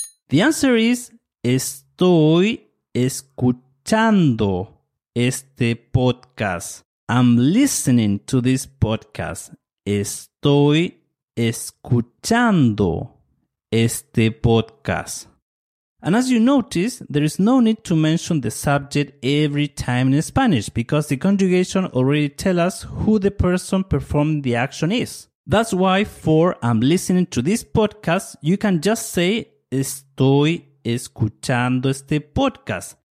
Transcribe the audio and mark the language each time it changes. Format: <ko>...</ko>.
<en>The answer is,</en> <es>estoy escuchando este podcast.</es> <en>I'm listening to this podcast.</en> <es>Estoy escuchando este podcast.</es> <en>And as you notice, there is no need to mention the subject every time in Spanish because the conjugation already tells us who the person performing the action is. That's why for I'm listening to this podcast, you can just say</en> <es>estoy escuchando este podcast.</es>